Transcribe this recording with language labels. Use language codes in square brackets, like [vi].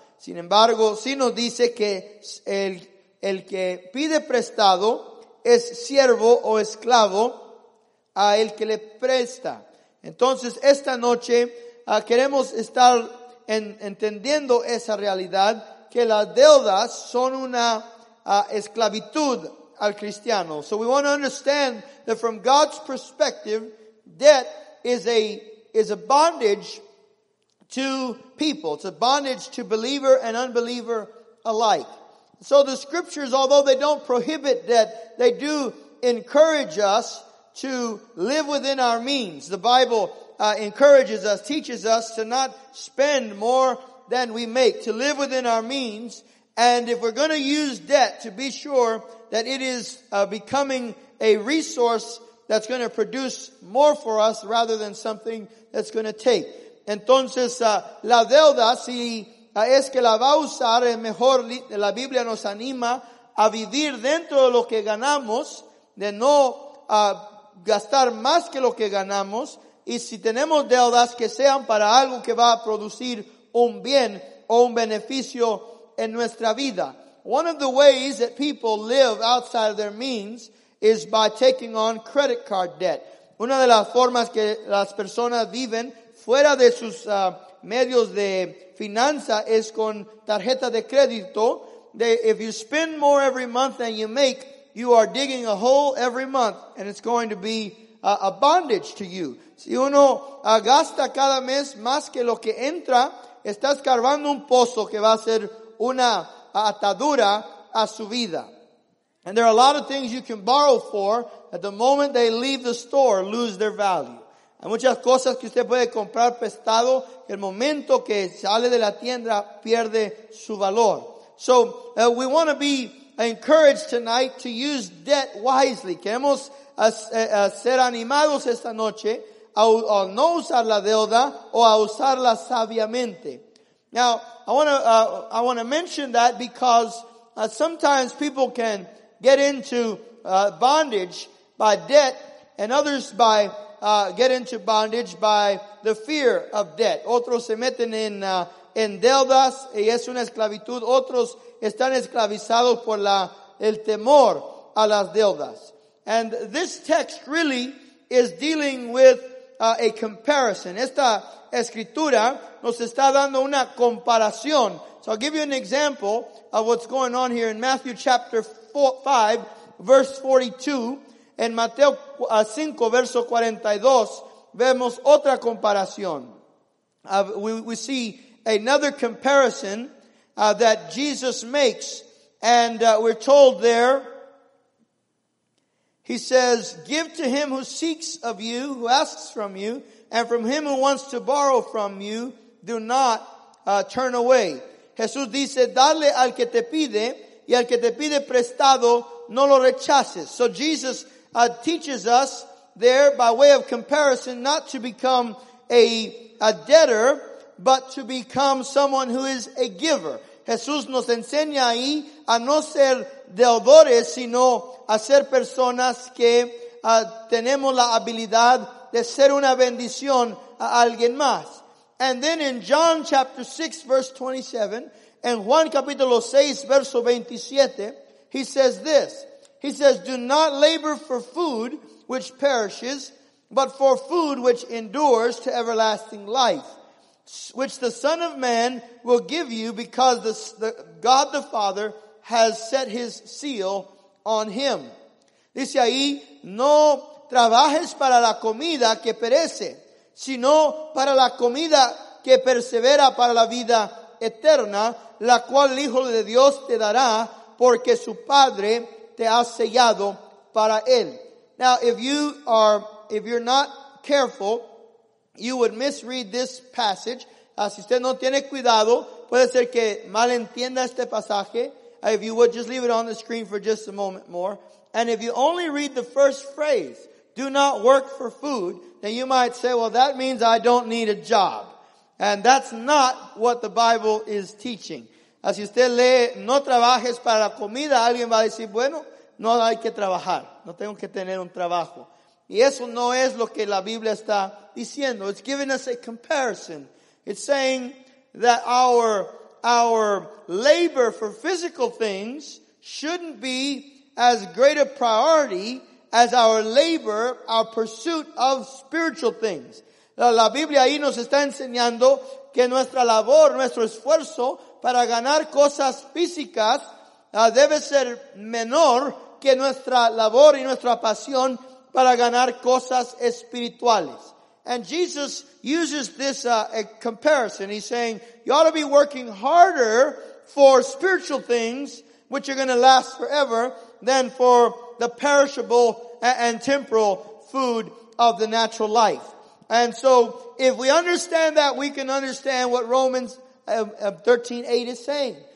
[es] Sin embargo, sí nos dice que el que pide prestado es siervo o esclavo a el que le presta. Entonces, esta noche queremos estar entendiendo esa realidad, que las deudas son una esclavitud al cristiano. [en] So we want to understand that from God's perspective, debt is a bondage to people. It's a bondage to believer and unbeliever alike. So the scriptures, although they don't prohibit debt, they do encourage us to live within our means. The Bible encourages us, teaches us to not spend more than we make, to live within our means. And if we're going to use debt, to be sure that it is becoming a resource that's going to produce more for us rather than something that's going to take. [es] Entonces, la deuda, si es que la va a usar, es mejor, la Biblia nos anima a vivir dentro de lo que ganamos, de no gastar más que lo que ganamos, y si tenemos deudas, que sean para algo que va a producir un bien o un beneficio en nuestra vida. [en] One of the ways that people live outside of their means is by taking on credit card debt. [es] Una de las formas que las personas viven fuera de sus medios de finanza es con tarjeta de crédito. [en] If you spend more every month than you make, you are digging a hole every month, and it's going to be a bondage to you. [es] Si uno gasta cada mes más que lo que entra, está escarbando un pozo que va a ser una atadura a su vida. [en] And there are a lot of things you can borrow for that the moment they leave the store lose their value. [es] Hay muchas cosas que usted puede comprar prestado que el momento que sale de la tienda pierde su valor. [en] So, we want to be encouraged tonight to use debt wisely. [es] Queremos ser animados esta noche a no usar la deuda o a usarla sabiamente. [en] Now, I want to mention that because sometimes people can get into bondage by debt, and others by get into bondage by the fear of debt. [es] Otros se meten en deudas y es una esclavitud. Otros están esclavizados por el temor a las deudas. [en] And this text really is dealing with a comparison. [es] Esta escritura nos está dando una comparación. [en] So I'll give you an example of what's going on here in Matthew chapter 5, verse 42. [es] En Mateo 5, verso 42, vemos otra comparación. [en] We see another comparison that Jesus makes. And we're told there, he says, give to him who seeks of you, who asks from you, and from him who wants to borrow from you, do not turn away. [es] Jesús dice, dale al que te pide, y al que te pide prestado, no lo rechaces. [en] So Jesus teaches us there by way of comparison not to become a debtor, but to become someone who is a giver. [es] Jesús nos enseña ahí a no ser deudores, sino a ser personas que tenemos la habilidad de ser una bendición a alguien más. [en] And then in John chapter 6, verse 27, and [es] Juan capítulo 6, verso 27, [en] he says this. He says, do not labor for food which perishes, but for food which endures to everlasting life, which the Son of Man will give you because the God the Father has set his seal on him. [es] Dice ahí, no trabajes para la comida que perece, sino para la comida que persevera para la vida eterna, la cual el Hijo de Dios te dará, porque su Padre te ha sellado para él. [en] Now, if you're not careful, you would misread this passage. [es] Si usted no tiene cuidado, puede ser que malentienda este pasaje. [en] If you would just leave it on the screen for just a moment more. And if you only read the first phrase, do not work for food, then you might say, well, that means I don't need a job. And that's not what the Bible is teaching. [es] Si usted lee, no trabajes para la comida, alguien va a decir, bueno, no hay que trabajar. No tengo que tener un trabajo. Y eso no es lo que la Biblia está diciendo. [en] It's giving us a comparison. It's saying that our labor for physical things shouldn't be as great a priority as our labor, our pursuit of spiritual things. [es] La Biblia ahí nos está enseñando que nuestra labor, nuestro esfuerzo para ganar cosas físicas debe ser menor que nuestra labor y nuestra pasión para ganar cosas espirituales. [en] And Jesus uses this a comparison. He's saying, you ought to be working harder for spiritual things, which are going to last forever, than for the perishable and temporal food of the natural life. And so, if we understand that, we can understand what Romans 13:8 is saying.